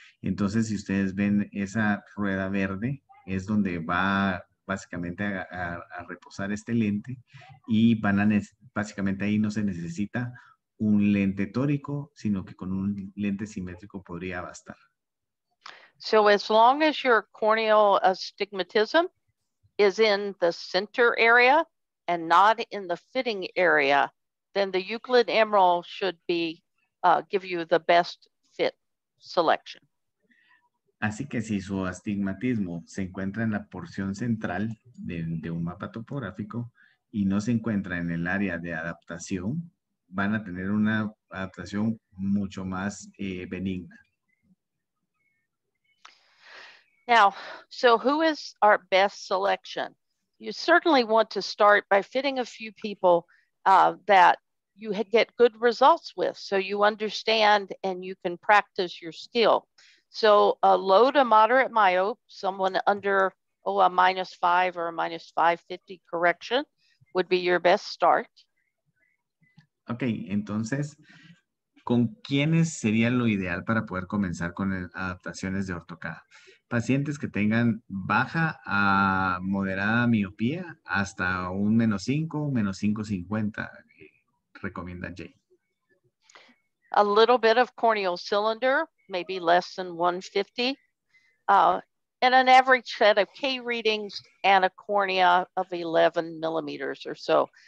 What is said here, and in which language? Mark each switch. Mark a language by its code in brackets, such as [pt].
[es] Entonces, si ustedes ven esa rueda verde, es donde va básicamente a reposar este lente y básicamente ahí no se necesita un lente tórico, sino que con un lente simétrico podría bastar. [en] So as long as your corneal astigmatism is in the center area and not in the fitting area, then the Euclid Emerald should be give you the best fit selection. [es] Así que si su astigmatismo se encuentra en la porción central de un mapa topográfico y no se encuentra en el área de adaptación, van a tener una adaptación mucho más benigna. [en] Now, so who is our best selection? You certainly want to start by fitting a few people that you get good results with, so you understand and you can practice your skill. So a low to moderate myope, someone under a -5 or a -550 correction would be your best start. [es] Okay, entonces, ¿con quiénes sería lo ideal para poder comenzar con adaptaciones de ortocada? Pacientes que tengan baja a moderada miopía hasta un -5, -550, recomienda Jay. [en] A little bit of corneal cylinder, maybe less than 150, and an average set of K readings and a cornea of 11 millimeters or so.